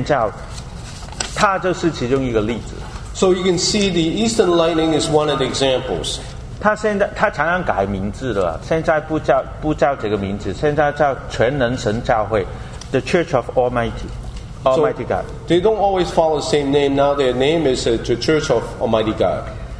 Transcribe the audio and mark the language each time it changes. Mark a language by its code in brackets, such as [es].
[zh] 我们刚刚提到了，现在这个东方闪电教，它就是其中一个例子。 [en] So you can see the Eastern Lightning is one of the examples. [zh] 他现在他常常改名字了，现在不叫这个名字，现在叫全能神教会 ，The Church of Almighty God. [en] So they don't always follow the same name. Now their name is the Church of Almighty God.